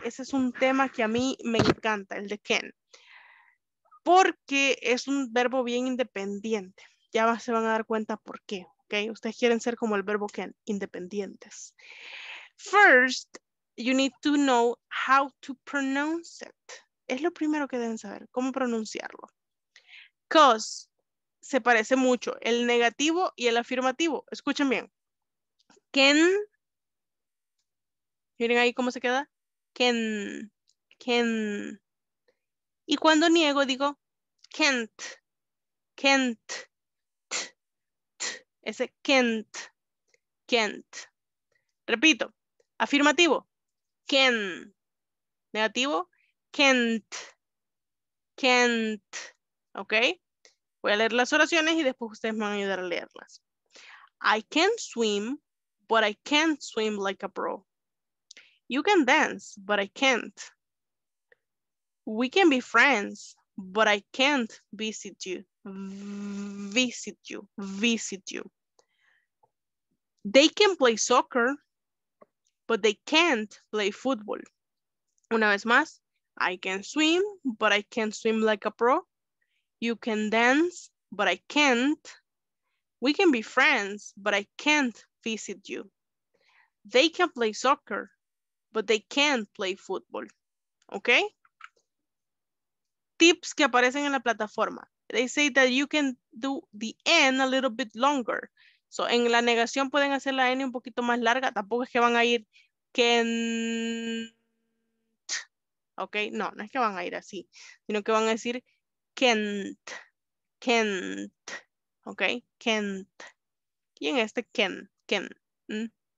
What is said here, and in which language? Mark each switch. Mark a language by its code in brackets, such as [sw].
[es] Ese es un tema que a mí me encanta, el de can. Porque es un verbo bien independiente. Ya se van a dar cuenta por qué. ¿Okay? Ustedes quieren ser como el verbo can, independientes. [en] First, you need to know how to pronounce it. [es] Es lo primero que deben saber, cómo pronunciarlo. [en] Because [es] se parece mucho el negativo y el afirmativo. Escuchen bien. Can. Miren ahí cómo se queda. Can. Can. Y cuando niego, digo can't, can't, t, t, ese can't, can't. Repito, afirmativo, can, negativo, can't, can't, ¿ok? Voy a leer las oraciones y después ustedes me van a ayudar a leerlas. [en] I can swim, but I can't swim like a pro. You can dance, but I can't. We can be friends, but I can't visit you. Visit you. Visit you. They can play soccer, but they can't play football. [es] Una vez más, [en] I can swim, but I can't swim like a pro. You can dance, but I can't. We can be friends, but I can't visit you. They can play soccer, but they can't play football. Okay? [es] Tips que aparecen en la plataforma. [en] They say that you can do the N a little bit longer. So, [es] en la negación pueden hacer la N un poquito más larga. Tampoco es que van a ir can't. Ok, no, no es que van a ir así. Sino que van a decir can't. Can't. Ok, can't. Y en este can, can. ¿Mm?